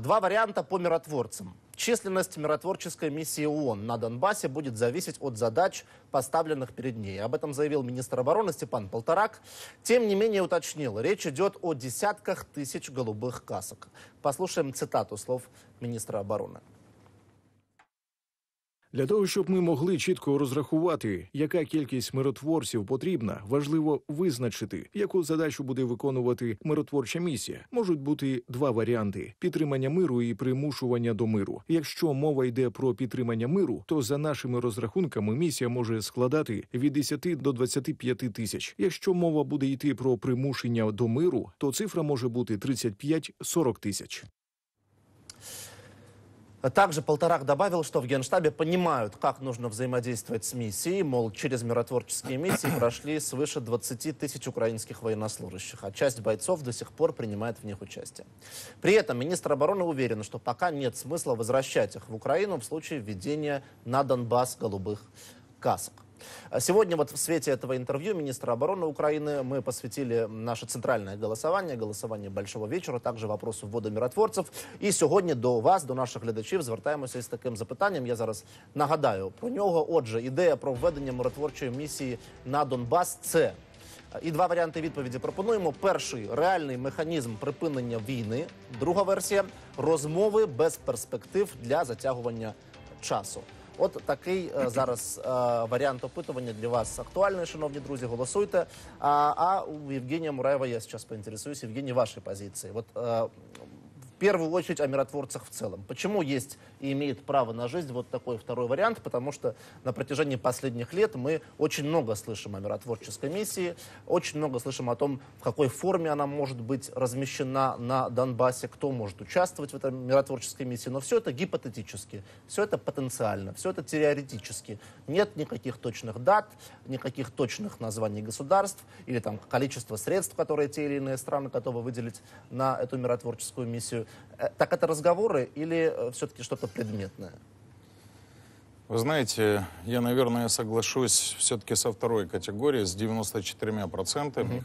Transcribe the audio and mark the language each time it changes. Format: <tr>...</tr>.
<ru>Два варианта по миротворцам. Численность миротворческой миссии ООН на Донбассе будет зависеть от задач, поставленных перед ней. Об этом заявил министр обороны Степан Полторак. Тем не менее уточнил, речь идет о десятках тысяч голубых касок. Послушаем цитату слов министра обороны.</ru> <uk>Для того, щоб ми могли чітко розрахувати, яка кількість миротворців потрібна, важливо визначити, яку задачу буде виконувати миротворча місія. Можуть бути два варіанти – підтримання миру і примушування до миру. Якщо мова йде про підтримання миру, то за нашими розрахунками місія може складати від 10 до 25 тисяч. Якщо мова буде йти про примушення до миру, то цифра може бути 35-40 тысяч.</uk> <ru>Также Полторак добавил, что в Генштабе понимают, как нужно взаимодействовать с миссией, мол, через миротворческие миссии прошли свыше 20 тысяч украинских военнослужащих, а часть бойцов до сих пор принимает в них участие. При этом министр обороны уверен, что пока нет смысла возвращать их в Украину в случае введения на Донбасс голубых касок. Сегодня вот в свете этого интервью министра обороны Украины мы посвятили наше центральное голосование, голосование «Большого вечера», также вопросу ввода миротворцев. И сегодня</ru> <uk>до вас, до наших глядачів, звертаємося із таким запитанням. Я зараз нагадаю про нього. Отже, ідея про введення миротворчої місії на Донбас – це. І два варіанти відповіді пропонуємо. Перший – реальний механізм припинення війни. Друга версія – розмови без перспектив для затягування часу. От такий зараз варіант опитування для вас актуальний, шановні друзі, голосуйте. А у Євгенія Мураєва я зараз поінтересуюсь, Євгенії, вашій позиції. От в першу чергу о миротворцях в цілому. Чому є і має право на життя от такий другий варіант? Тому що</uk> <ru>на протяжении</ru> <uk>останніх років ми дуже багато</uk> <ru>слышимо о миротворческой</ru> <uk>місії, дуже багато</uk> <ru>слышимо о том,</ru> <uk>в якій формі вона може бути розміщена на Донбасі, хто може участвувати в цій миротворческой місії. Але все це гіпотетично, все це потенціально, все це теоретично.</uk> <ru>Нет</ru> <uk>ніяких точних дат, ніяких точних</uk> <ru>названий государств или там количество средств, которые те или иные страны готовы выделить на эту миротворческую миссию. Так это разговоры или все-таки что-то предметное? Вы знаете, я, наверное, соглашусь все-таки со второй категорией, с 94%. Угу.</ru>